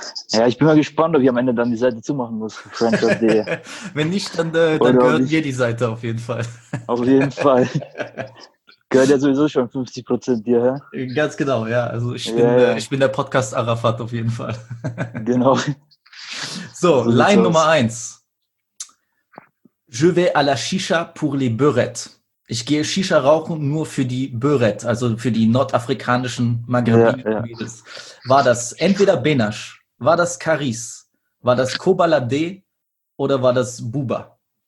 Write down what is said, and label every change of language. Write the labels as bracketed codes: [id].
[de] Ja, ich bin mal gespannt, ob ich am Ende dann die Seite zumachen muss. Wenn nicht, dann gehört dir die Seite auf jeden Fall. Auf jeden Fall. Gehört ja sowieso schon 50% dir, hä? Ganz genau, ja. Also ich bin der Podcast Arafat auf jeden Fall. Genau. So, Line Nummer 1. [fr] Je vais à la chicha pour les beurettes. [de] Ich gehe Shisha rauchen nur für die Beurette, also für die nordafrikanischen Maghreb-Mädels. War das entweder Benash, war das Karis, war das Kobalade oder war das Buba?